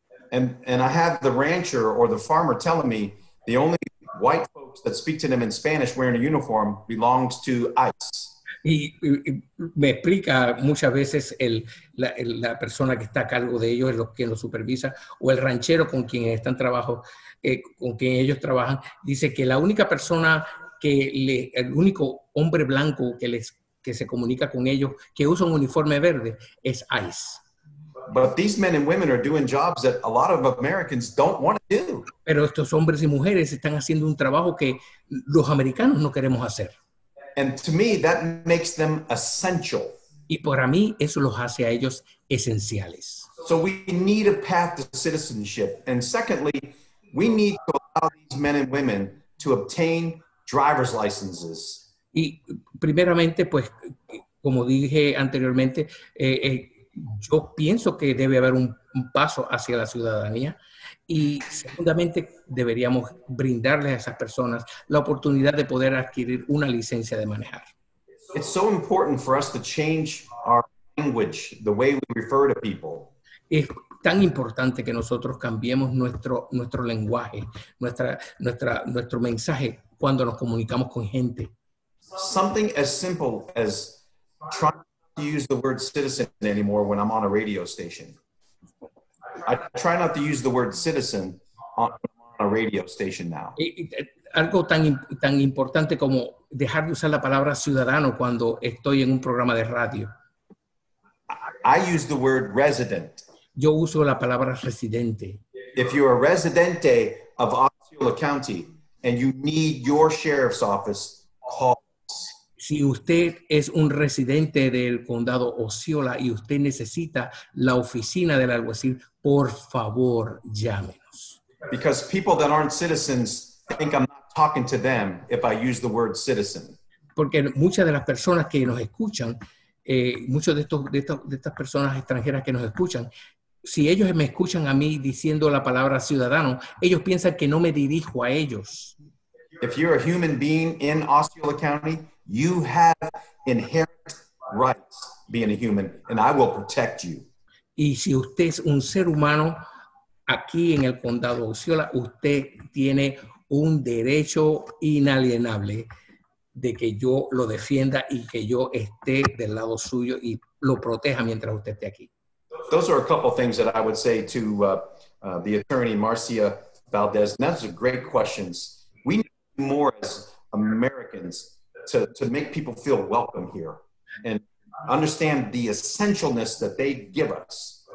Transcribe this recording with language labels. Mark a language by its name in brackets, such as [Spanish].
[English] And I have the rancher or the farmer telling me the only white folks that speak to them in Spanish wearing a uniform belongs to ICE. [Spanish] Y me explica muchas veces la persona que está a cargo de ellos, quien los supervisa, o el ranchero con quien están con quien ellos trabajan, dice que la única persona el único hombre blanco que se comunica con ellos, que usa un uniforme verde, es ICE. [English] But these men and women are doing jobs that a lot of Americans don't want to do. [Spanish] Pero estos hombres y mujeres están haciendo un trabajo que los americanos no queremos hacer. [English] And to me, that makes them essential. [Spanish] Y para mí, eso los hace a ellos esenciales. [English] So we need a path to citizenship. And secondly, we need to allow these men and women to obtain driver's licenses. [Spanish] Y primeramente, pues, como dije anteriormente, yo pienso que debe haber un paso hacia la ciudadanía. Y segundamente, deberíamos brindarles a esas personas la oportunidad de poder adquirir una licencia de manejar. [English] It's so important for us to change our language, the way we refer to people. [Spanish] Es tan importante que nosotros cambiemos nuestro lenguaje, nuestro mensaje cuando nos comunicamos con gente. [English] Something as simple as trying to use the word citizen anymore when I'm on a radio station. I try not to use the word citizen on a radio station now. [Spanish] Algo tan importante como dejar de usar la palabra ciudadano cuando estoy en un programa de radio. [English] I use the word resident. [Spanish] Yo uso la palabra residente. [English] If you're a residente of Osceola County and you need your sheriff's office, call us. [Spanish] Si usted es un residente del condado Osceola y usted necesita la oficina del alguacil, por favor, llámenos. [English] Because people that aren't citizens think I'm not talking to them if I use the word citizen. [Spanish] Porque muchas de las personas que nos escuchan, muchas de estas personas extranjeras que nos escuchan, si ellos me escuchan a mí diciendo la palabra ciudadano, ellos piensan que no me dirijo a ellos. [English] If you're a human being in Osceola County, you have inherent rights being a human, and I will protect you. [Spanish] Y si usted es un ser humano aquí en el condado de Osceola, usted tiene un derecho inalienable de que yo lo defienda y que yo esté del lado suyo y lo proteja mientras usted esté aquí. [English] Those are a couple of things that I would say to the attorney Marcia Valdez. And those are great questions. We need more as Americans to make people feel welcome here and understand the essentialness that they give us.